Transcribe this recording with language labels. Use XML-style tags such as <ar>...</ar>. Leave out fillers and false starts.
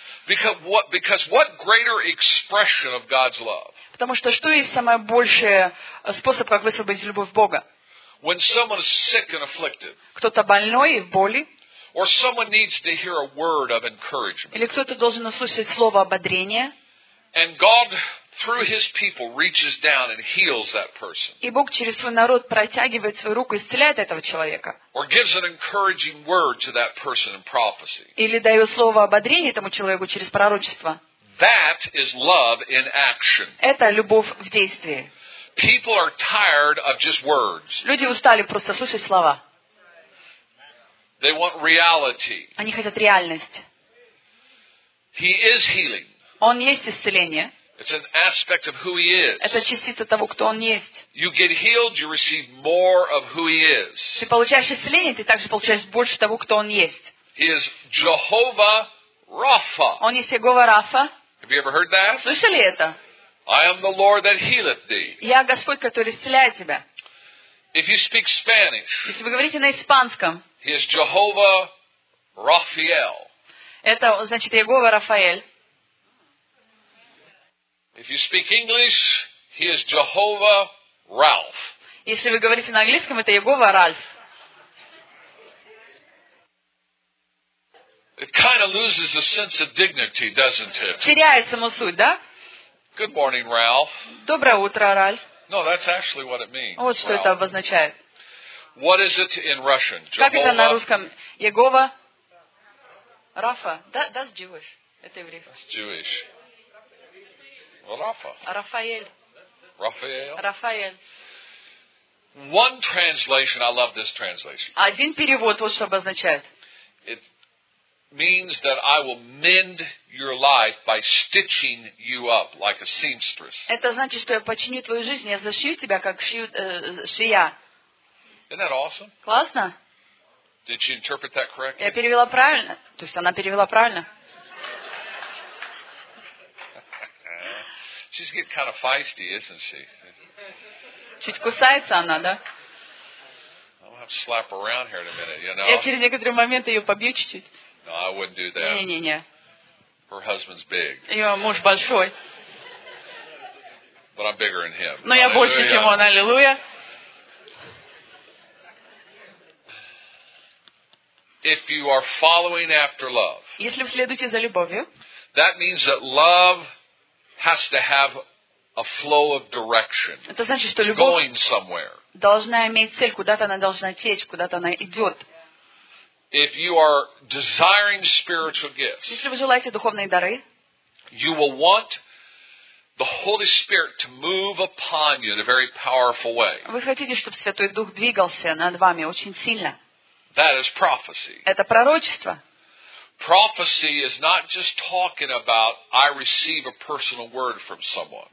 <en>Because what greater expression of God's love?</en> <ru>Потому что что есть самый большой способ, как высвободить любовь Бога?</ru> <en>When someone is sick and afflicted,</en> <ru>кто-то больной и в боли,</ru> <en>or someone needs to hear a word of encouragement,</en> <ru>или кто-то должен услышать слово ободрения,</ru> <en>and God, through his people, reaches down and heals that person,</en> <ru>и Бог через свой народ протягивает свою руку и исцеляет этого человека,</ru> <en>or gives an encouraging word to that person in prophecy,</en> <ru>или дает слово ободрения этому человеку через пророчество.</ru> <en>That is love in action.</en> <ru>Это любовь в действии.</ru> <en>People are tired of just words.</en> <ru>Люди устали просто слушать слова.</ru> <en>They want reality.</en> <ru>Они хотят реальность.</ru> <en>He is healing.</en> <ru>Он есть исцеление.</ru> <en>It's an aspect of who he is.</en> <ru>Это частица того, кто он есть.</ru> <en>You get healed, you receive more of who he is.</en> <ru>Ты получаешь исцеление, ты также получаешь больше того, кто он есть.</ru> <en>He is Jehovah Rapha.</en> <ru>Он есть Иегова Рафа.</ru> <en>Have you ever heard that?</en> <ru>Слышали это?</ru> <en>I am the Lord that healeth thee.</en> <ru>Я Господь, который исцеляет тебя.</ru> <en>If you speak Spanish,</en> <ru>если вы говорите на испанском,</ru> <en>he is Jehovah Raphael.</en> <ru>Это значит Иегова Рафаэль.</ru> <en>If you speak English, he is Jehovah Ralph.</en> <ru>Если вы говорите на английском, это Иегова Ральф.</ru> <en>It kind of loses the sense of dignity, doesn't it?</en> <ru>Теряет саму суть, да?</ru> <en>Good morning, Ralph.</en> <ru>Доброе утро, Ральф.</ru> <en>No, that's actually what it means.</en> <ru>Вот что</ru> <en>Ralph.</en> <ru>Это обозначает.</ru> <en>What is it in Russian?</en> <ru>Как это на русском? Иегова Рафа.</ru> <en>That's Jewish.</en> <ru>Это еврейский.</ru> <en>That's Jewish. Рафа.</en> <ru>Рафаэль. Рафаэль. Рафаэль.</ru> <en>One translation. I love this translation.</en> <ru>Один перевод. Вот что обозначает.</ru> <en>Means that I will mend your life by stitching you up like a seamstress.</en> <ru>Это значит, что я починю твою жизнь, я зашью тебя как швея.</ru> <en>Isn't that awesome?</en> <ru>Классно.</ru> <en>Did she interpret that correctly?</en> <ru>Я перевела правильно. То есть она перевела правильно.</ru> <en>She's getting kind of feisty, isn't she?</en> <ru>Чуть кусается она, да?</ru> <en>I'll have to slap her around here in a minute, you know.</en> <ru>Я через некоторый момент ее побью чуть-чуть.</ru> <en>No, I wouldn't do that.</en> <ru>Не-не-не.</ru> <en>Her husband's big.</en> <ru>Ее муж большой.</ru> <en>But I'm bigger than him.</en> <ru>Но я больше, чем он. Аллилуйя.</ru> <en>If you are following after love.</en> <ru>Если вы следуете за любовью.</ru> <en>That means that love has to have a flow of direction.</en> <ru>Это значит, что любовь должна иметь цель, куда-то она должна течь, куда-то она идет.</ru> <en>If you are desiring spiritual gifts,</en> <ru>если вы желаете духовные дары,</ru> <en>you will want the Holy Spirit to move upon you in a very powerful way.</en> <ru>Вы хотите, чтобы Святой Дух двигался над вами очень сильно.</ru> <en>That is prophecy.</en> <ru>Это пророчество.</ru> <en>Prophecy is not just talking about I receive a personal word from someone.</en>